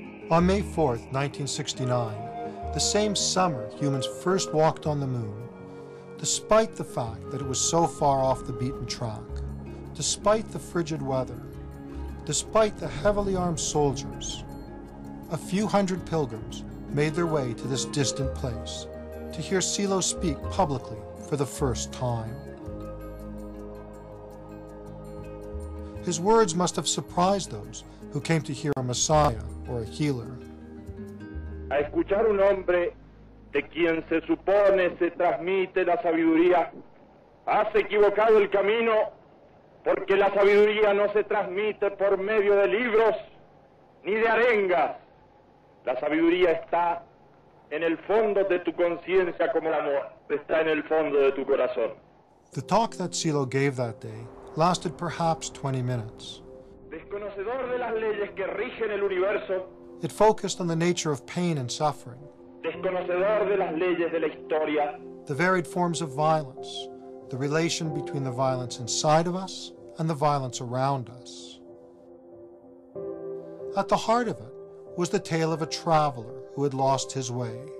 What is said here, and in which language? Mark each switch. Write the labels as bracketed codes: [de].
[en] On May 4th, 1969, the same summer humans first walked on the moon, despite the fact that it was so far off the beaten track, despite the frigid weather, despite the heavily armed soldiers, a few hundred pilgrims made their way to this distant place to hear CeeLo speak publicly for the first time. His words must have surprised those who came to hear a messiah or a healer. [es] A escuchar un hombre de quien se supone se transmite la sabiduría, has equivocado el camino, porque la sabiduría no se transmite por medio de libros ni de arengas. La sabiduría está en el fondo de tu conciencia como el amor está en el fondo de tu corazón. [en] The talk that CeeLo gave that day lasted perhaps 20 minutes. [es] Desconocedor de las leyes que rigen el universo, [en] it focused on the nature of pain and suffering, [es] desconocedor de las leyes de la historia, [en] the varied forms of violence, the relation between the violence inside of us and the violence around us. At the heart of it was the tale of a traveler who had lost his way.